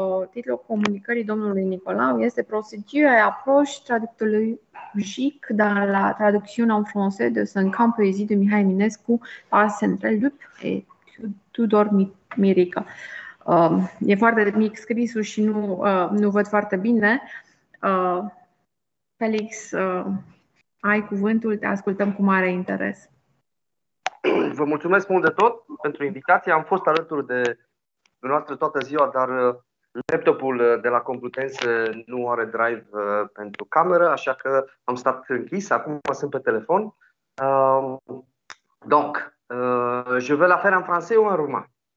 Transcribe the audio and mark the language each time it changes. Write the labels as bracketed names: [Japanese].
[Romanian] Titlul comunicării domnului Nicolau este [French] Procédure et approche traductologique dans la traduction en français de Cinq ans poésie de Mihai Eminescu par Sandrine Lup et Tudor Mirică. [Romanian] E foarte mic scrisul și nu văd foarte bine. Felix, ai cuvântul, te ascultăm cu mare interes. Vă mulțumesc mult de tot pentru invitație. Am fost alături de dumneavoastră toată ziua, dar laptopul de la Complutense nu are drive pentru cameră, așa că am stat închis. Acum sunt pe telefon. [French] Je vais la faire en français ou en roumain?